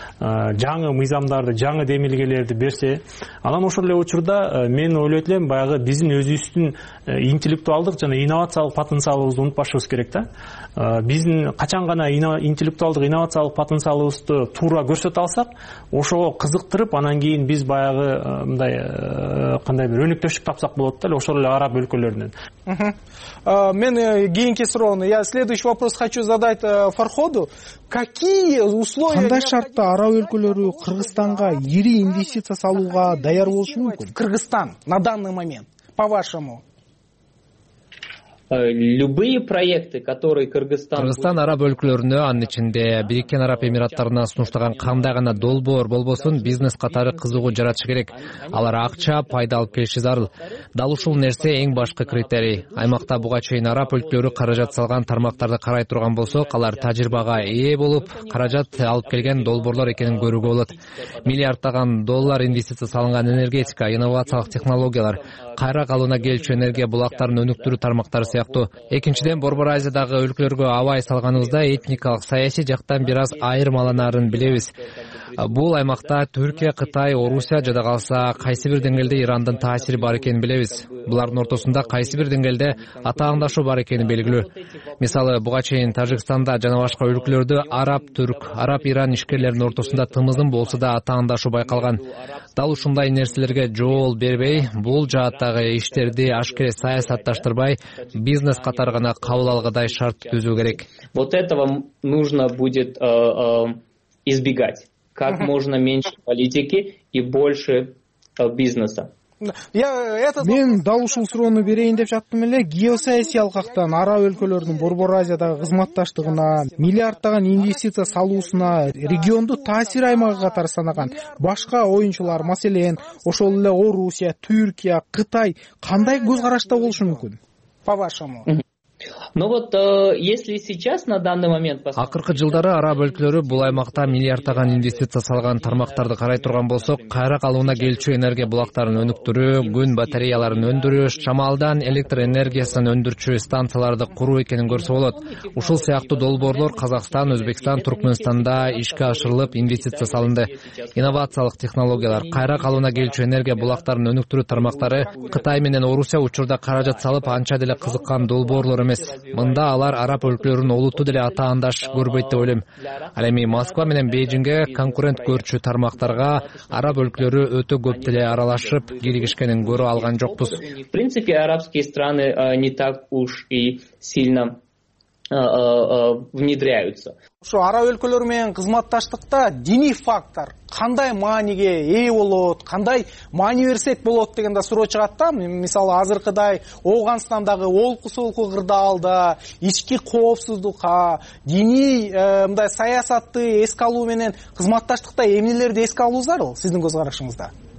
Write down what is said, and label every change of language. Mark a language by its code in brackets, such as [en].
[ky] Жаңы мыйзамдарды, жаңы демилгелерди берсе, анан ошол эле учурда мен ойлойт элем, баягы биздин өзүбүздүн интеллектуалдык жана инновациялык потенциалыбызды унутпашыбыз керек да. Биздин качан гана интеллектуалдык инновациялык потенциалыбызды туура көрсөтө алсак, ошого кызыктырып, анан кийин биз баягы мындай кандай бир өнөктөштүк тапсак болот да эле ошол эле араб өлкөлөрүнөн. Мен кийинки суроону, [ru] я следующий вопрос хочу задать Фарходу. Какие условия? [ky] Кандай шартта араб өлкөлөрү Кыргызстанга ири инвестиция салууга даяр болушу мүмкүн? [ru] Кыргызстан на данный момент, по вашему. Любые проекты, которые Кыргызстан... [ky] Кыргызстан араб өлкөлөрүнө, анын ичинде Бириккен Араб Эмираттарына сунуштаган кандай гана долбоор болбосун, бизнес катары кызыгуу жаратышы керек. Алар акча, пайда алып келиши зарыл. Дал ушул нерсе эң башкы критерий. Аймакта буга чейин араб өлкөлөрү каражат салган тармактарды карай турган болсок, алар тажрыйбага ээ болуп, каражат алып келген долбоорлор экенин көрүүгө болот. Миллиарддаган доллар инвестиция салынган энергетика, инновациялык технологиялар, кайра калыбына келчү энергия булактарын өнүктүрүү тармактары сыяктуу. Экинчиден, Борбор Азиядагы өлкөлөргө абай салганыбызда этникалык, саясий жактан бир аз айырмаланарын билебиз. Бул аймакта Түркия, Кытай, Орусия жада калса, кайсы бир деңгээлде Ирандын таасири бар экенин билебиз. Булардын ортосунда кайсы бир деңгээлде атаандашуу бар экени белгилүү. Мисалы, буга чейин Тажикстанда жана башка өлкөлөрдө араб түрк, араб иран ишкерлеринин ортосунда тымызын болсо да атаандашуу байкалган. Дал ушундай нерселерге жол бербей, бул жааттагы иштерди ашкере саясатташтырбай, бизнес катары гана кабыл алгыдай шарт түзүү керек. [ru] Вот этого нужно будет избегать. Как можно меньше политики и больше бизнеса. [ky] Мен дал ушул суроону берейин деп жаттым эле. Геосаясий алкактан араб өлкөлөрүнүн Борбор Азиядагы кызматташтыгына, миллиарддаган инвестиция салуусуна, региондо таасир аймагы катары санаган башка оюнчулар, маселен, ошол эле Орусия, Түркия, Кытай кандай көз карашта болушу мүмкүн? [ru] По вашему. Но вот если сейчас на данный момент [ky] акыркы жылдары араб өлкөлөрү бул аймакта миллиарддаган инвестиция салган тармактарды карай турган болсок, кайра калыбына келчү энергия булактарын өнүктүрүү, күн батареяларын өндүрүш, шамалдан электр энергиясын өндүрчү станцияларды куруу экенин көрсө болот. Ушул сыяктуу долбоорлор Казакстан, Өзбекстан, Туркменстанда ишке ашырылып, инвестиция салынды. Инновациялык технологиялар, кайра калыбына келчү энергия булактарын өнүктүрүү тармактары Кытай менен Орусия учурда каражат салып, анча деле кызыккан долбоорлор эмес. Мында алар араб өлкөлөрүн олуттуу деле атаандаш көрбөйт деп ойлойм. Ал эми Москва менен Бээжинге конкурент көрчү тармактарга араб өлкөлөрү өтө көп деле аралашып киригишкенин көрө алган жокпуз. [ru] В принципе, арабские страны не так уж и сильно внедряются. [ky] Ошо араб өлкөлөрү менен кызматташтыкта диний фактор кандай мааниге ээ болот, кандай маани берсек болот деген да суроо чыгат да. Мисалы, азыркыдай Ооганстандагы олку-солку кырдаалда, ички коопсуздукка, диний мындай саясатты эске алуу менен кызматташтыкта эмнелерди эске алуу зарыл сиздин көз карашыңызда?